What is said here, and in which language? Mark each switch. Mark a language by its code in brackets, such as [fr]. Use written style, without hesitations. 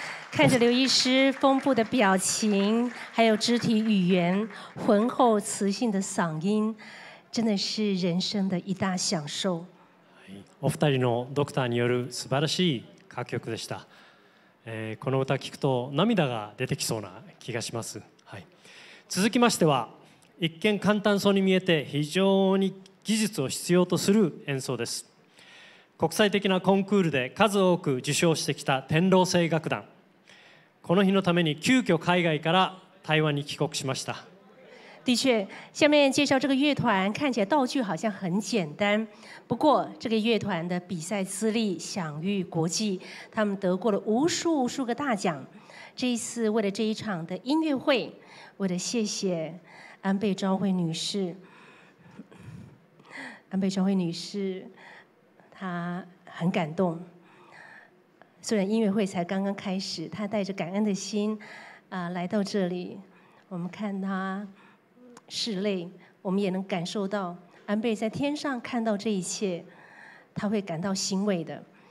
[zh] 看着刘医师丰富的表情还有肢体语言，浑厚磁性的嗓音，真的是人生的一大享受。 [ja] お二人のドクターによる素晴らしい歌曲でした。この歌聞くと涙が出てきそうな気がします。はい、続きましては、一見簡単そうに見えて非常に技術を必要とする演奏です。国際的なコンクールで数多く受賞してきた天狼星楽団、この日のために急遽海外から台湾に帰国しました。 [zh] 的确，下面介绍这个乐团，看起来道具好像很简单，不过这个乐团的比赛资历享誉国际，他们得过了无数无数个大奖。这一次为了这一场的音乐会，为了谢谢安倍昭惠女士，安倍昭惠女士她很感动，虽然音乐会才刚刚开始，她带着感恩的心来到这里，我们看她拭泪，我们也能感受到安倍在天上看到这一切，他会感到欣慰的。